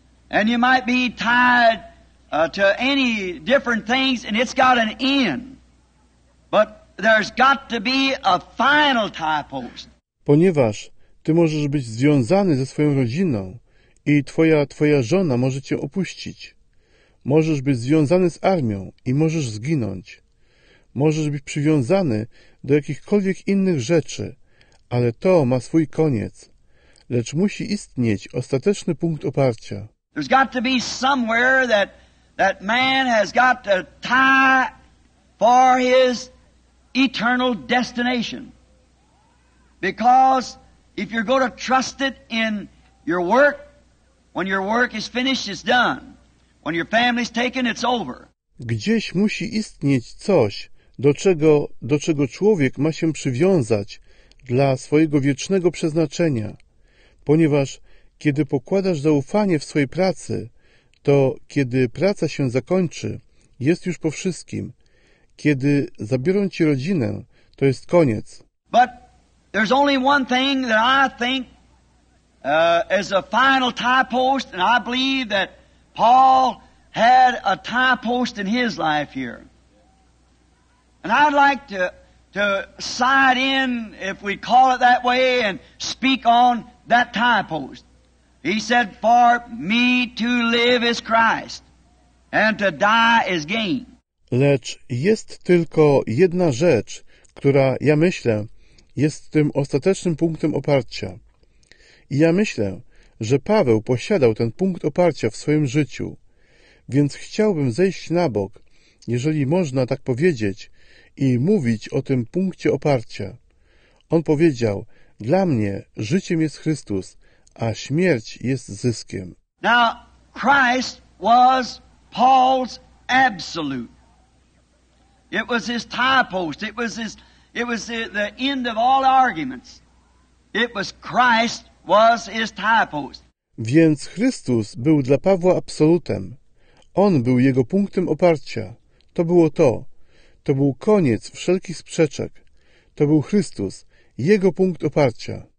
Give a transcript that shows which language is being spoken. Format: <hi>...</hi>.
<en>And you might be tied to any different things and it's got an end. But there's got to be a final tie post.</en> <pl>Ponieważ ty możesz być związany ze swoją rodziną i twoja żona może cię opuścić. Możesz być związany z armią i możesz zginąć. Możesz być przywiązany do jakichkolwiek innych rzeczy, ale to ma swój koniec. Lecz musi istnieć ostateczny punkt oparcia.</pl> <en>There's got to be somewhere that man has got to tie for his eternal destination. Because if you're going to trust it in your work, when your work is finished, it's done. When your family's taken, it's over.</en> <pl>Gdzieś musi istnieć coś, do czego człowiek ma się przywiązać dla swojego wiecznego przeznaczenia. Ponieważ kiedy pokładasz zaufanie w swojej pracy, to kiedy praca się zakończy, jest już po wszystkim. Kiedy zabiorą ci rodzinę, to jest koniec.</pl> <en>But there's only one thing that I think as a final tie post, and I believe that Paul had a tie post in his life here. And I'd like to side in, if we call it that way, and speak on that tie post. He said, "For me to live is Christ, and to die is gain."</en> <pl>Lecz jest tylko jedna rzecz, która, ja myślę, jest tym ostatecznym punktem oparcia. I ja myślę, że Paweł posiadał ten punkt oparcia w swoim życiu, więc chciałbym zejść na bok, jeżeli można tak powiedzieć, i mówić o tym punkcie oparcia. On powiedział, dla mnie życiem jest Chrystus, a śmierć jest zyskiem.</pl> <en>Now, Christ was Paul's absolute. It was his tie post. It was the end of all arguments. It was Christ was his tie post.</en> <pl>Więc Chrystus był dla Pawła absolutem. On był jego punktem oparcia. To było to. To był koniec wszelkich sprzeczek. To był Chrystus, jego punkt oparcia.</pl>